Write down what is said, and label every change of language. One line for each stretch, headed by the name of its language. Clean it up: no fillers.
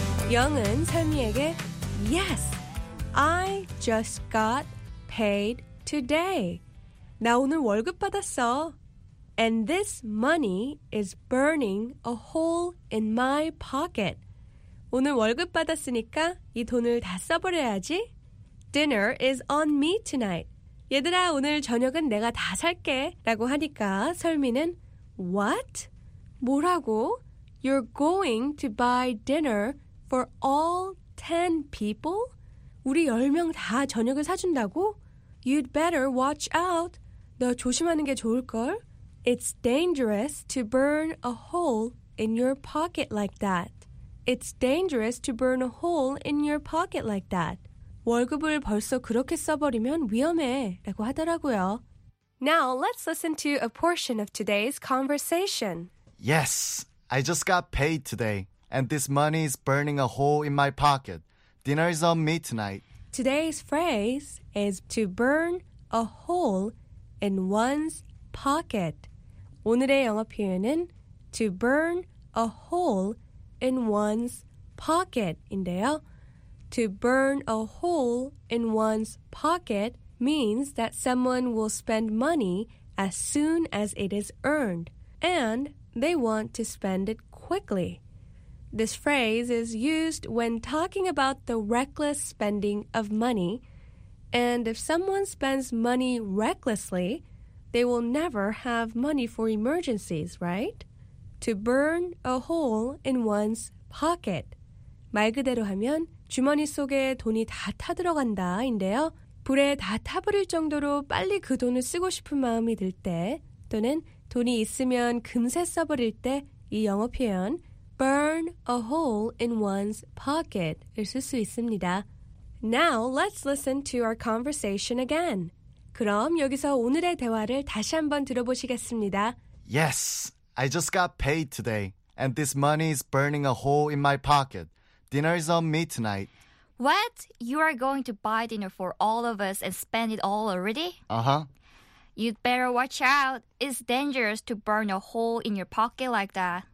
Korean: 영은 선미에게
English: Yes, I just got paid today.
Korean: 나 오늘 월급 받았어.
English: And this money is burning a hole in my pocket.
Korean: 오늘 월급 받았으니까 이 돈을 다 써버려야지.
English: Dinner is on me tonight.
Korean: 얘들아, 오늘 저녁은 내가 다 살게 라고 하니까 설미는
English: What?
Korean: 뭐라고?
English: You're going to buy dinner for all 10 people?
Korean: 우리 10명 다 저녁을 사준다고?
English: You'd better watch out.
Korean: 너 조심하는 게 좋을걸?
English: It's dangerous to burn a hole in your pocket like that. It's dangerous to burn a hole in your pocket like that.
Korean: 월급을 벌써 그렇게 써버리면 위험해 라고 하더라고요.
English: Now let's listen to a portion of today's conversation. Yes, I just got paid today. And this money is burning a hole in my pocket. Dinner is on me tonight. Today's phrase is to burn a hole in one's pocket.
Korean: 오늘의 영어 표현은
English: to burn a hole in one's pocket
Korean: 인데요.
English: To burn a hole in one's pocket means that someone will spend money as soon as it is earned, and they want to spend it quickly. This phrase is used when talking about the reckless spending of money. And if someone spends money recklessly, they will never have money for emergencies, right? To burn a hole in one's pocket.
Korean: 말 그대로 하면 주머니 속에 돈이 다 타들어간다인데요. 불에 다 타버릴 정도로 빨리 그 돈을 쓰고 싶은 마음이 들 때 또는 돈이 있으면 금세 써버릴 때 이 영어 표현
English: Burn a hole in one's pocket.
Korean: 쓸 수 있습니다.
English: Now let's listen to our conversation again.
Korean: 그럼 여기서 오늘의 대화를 다시 한번 들어보시겠습니다.
English: Yes, I just got paid today, and this money is burning a hole in my pocket. Dinner is on me tonight. What? You are going to buy dinner for all of us and spend it all already? Uh-huh. You'd better watch out. It's dangerous to burn a hole in your pocket like that.